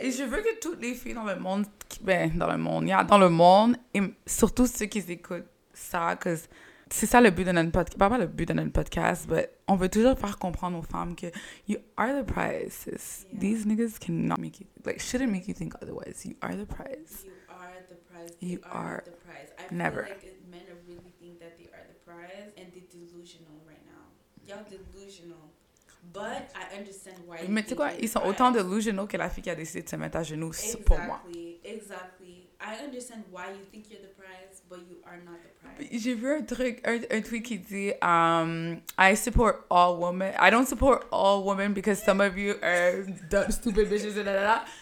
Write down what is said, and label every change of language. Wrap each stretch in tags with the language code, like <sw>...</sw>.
<fr>Et je veux que toutes les filles dans le monde, et surtout ceux qui écoutent ça, parce que c'est ça le but de notre podcast, pas le but de notre podcast, mais on veut toujours faire comprendre aux femmes que</fr> <en>you are the prize.</en> <fr>Yeah.</fr> <en>These niggas cannot make you, like, shouldn't make you think otherwise. You are the prize. You are the prize. You are the prize. Never. I feel like men really think that they are the prize, and they're delusional right now. Y'all delusional. But I understand why.</en> <fr>Mais tu sais quoi, ils sont autant delusional que la fille qui a décidé de se mettre à genoux pour moi.</fr> <en>Exactly. I understand why you think you're the prize, but you are not the prize.</en> <fr>J'ai vu un tweet qui dit,</fr> <en>I support all women. I don't support all women because some of you are dumb, stupid bitches and da da.</en>